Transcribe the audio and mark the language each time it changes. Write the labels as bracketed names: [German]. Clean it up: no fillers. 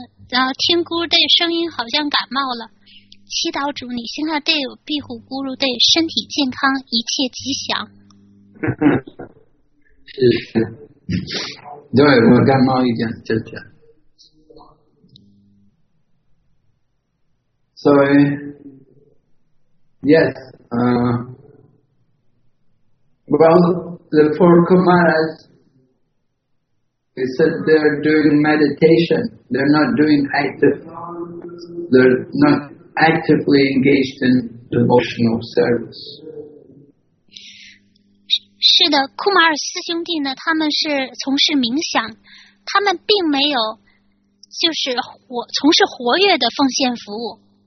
[Chinese] 然后听咕噜队声音好像感冒了，祈祷主你心爱队友庇护咕噜队身体健康，一切吉祥。是是，对，我感冒一点，就这样。 [English] So, yes, well, the four Kumaras, they said they're doing meditation, they're not doing active, they're not actively engaged in devotional service. [Chinese] 是的，库马尔四兄弟呢，他们是从事冥想，他们并没有就是从事活跃的奉献服务。